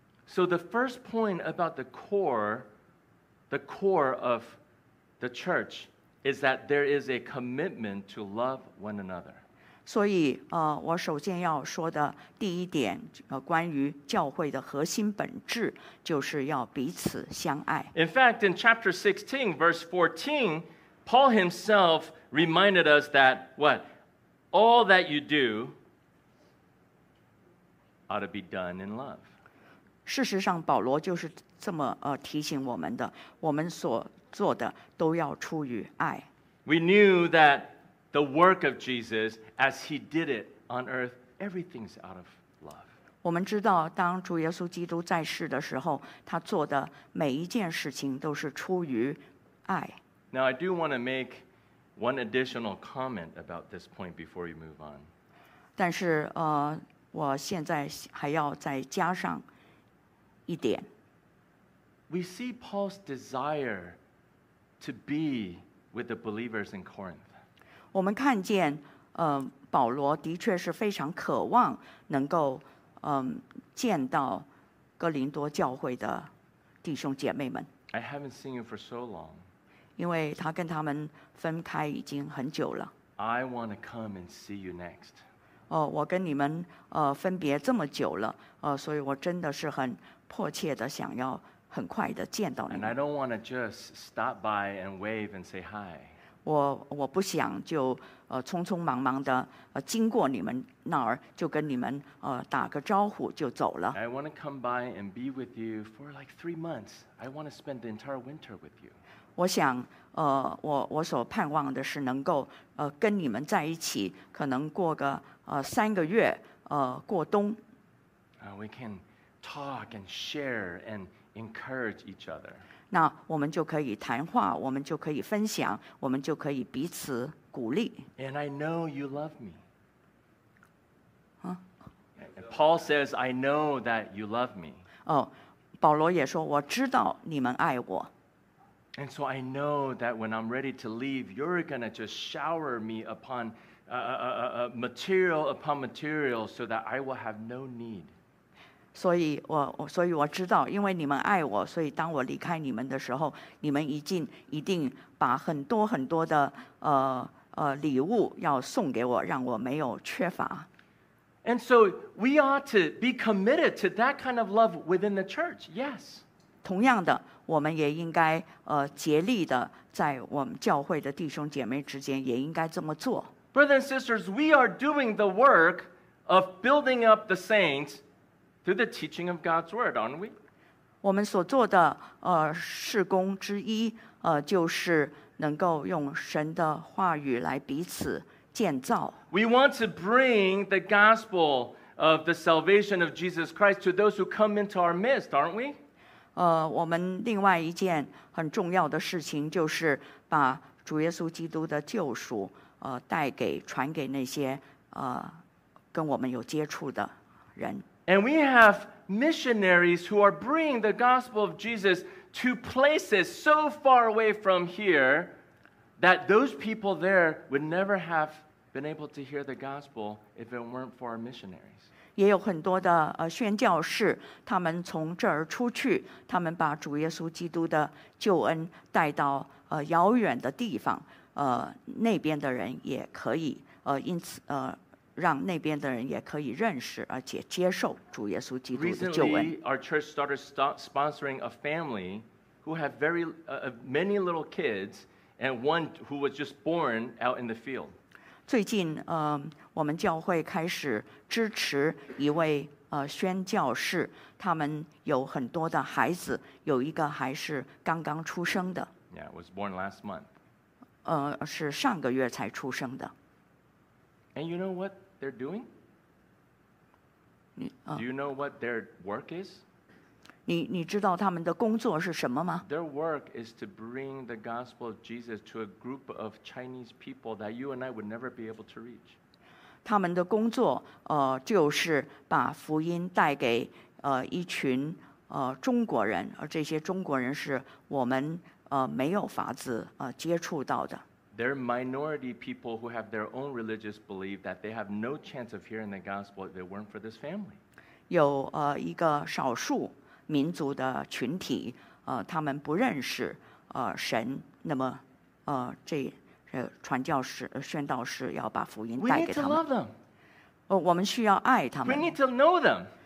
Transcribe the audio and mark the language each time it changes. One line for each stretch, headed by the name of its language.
English: So the first point about the core of the church is that there is a commitment to love one another.
Chinese: 所以我首先要说的第一点关于教会的核心本质就是要彼此相爱。
English: In fact, in chapter 16, verse 14, Paul himself reminded us that what? All that you do ought to be done in love.
Chinese: 事实上保罗就是这么提醒我们的，我们所做的都要出于爱。
English: We knew that the work of Jesus, as he did it on earth, everything's out of love.
Chinese: 我们知道当主耶稣基督在世的时候，他做的每一件事情都是出于爱。
English: Now I do want to make one additional comment about this point before we move on.
Chinese: 但是我现在还要再加上一点。
English: We see Paul's desire to be with the believers in Corinth.
Chinese: 我们看见，保罗的确是非常渴望能够，见到哥林多教会的弟兄姐妹们。
English: I haven't seen you for so long.
Chinese: 因为他跟他们分开已经很久了。
English: I want to come and see you next.
Chinese: 哦，我跟你们分别这么久了，所以我真的是很迫切的想要。很快的见到你。
English: And I don't want to just stop by and wave and say hi.
Chinese: 我不想就匆匆忙忙的经过你们那儿就跟你们打个招呼就走了。
English: I want to come by and be with you for like 3 months. I want to spend the entire winter with you.
Chinese: 我想我所盼望的是能够跟你们在一起，可能过个三个月过冬。
English: We can talk and share and encourage each other.
Chinese: 那我们就可以谈话，我们就可以分享，我们就可以彼此鼓励。
English: And I know you love me. And Paul says, I know that you love me.
Chinese: 哦，保罗也说，我知道你们爱我。
English: And so I know that when I'm ready to leave, you're going to just shower me upon material upon material so that I will have no need.
Chinese: 所以我知道，因为你们爱我，所以当我离开你们的时候，你们一定把很多很多的礼物要送给我，让我没有缺乏。
English: And so we ought to be committed to that kind of love within the church. Yes.
Chinese: 同样的，我们也应该竭力的在我们教会的弟兄姐妹之间也应该这么做。
English: Brothers and sisters, we are doing the work of building up the saints. Through the teaching of God's word, aren't we?
Chinese: 我们所做的事工之一就是能够用神的话语来彼此建造。
English: We want to bring the gospel of the salvation of Jesus Christ to those who come into our midst, aren't we?
Chinese: 我们另外一件很重要的事情就是把主耶稣基督的救赎带给传给那些跟我们有接触的人。
English: And we have missionaries who are bringing the gospel of Jesus to places so far away from here that those people there would never have been able to hear the gospel if it weren't for our missionaries.
Chinese: 也有很多的宣教士，他们从这儿出去，他们把主耶稣基督的救恩带到遥远的地方，那边的人也可以因此让那边的人也可以认识而且接受主耶稣基督的救恩。
English: Recently, our church started sponsoring a family who have many little kids and one who was just born out in the field.
Chinese: 最近，我们教会开始支持一位宣教士，他们有很多的孩子，有一个还是刚刚出生的。
English: Yeah, it was born last month.
Chinese: 是上个月才出生的。
English: And you know what they're doing? Do you know what their work is?
Chinese: 你知道他们的工作是什么吗?
English: Their work is to bring the gospel of Jesus to a group of Chinese people that you and I would never be able to reach.
Chinese: 他们的工作就是把福音带给一群中国人，而这些中国人是我们没有法子接触到的。
English: They're minority people who have their own religious belief that they have no chance of hearing the gospel if it weren't for this family.
Chinese: 有一个少数民族的群体，他们不认识神，那么这传教士、宣道士要把福音带给他们。
English: We need to love them.
Chinese: 我们需要爱他们。
English: We need to know them.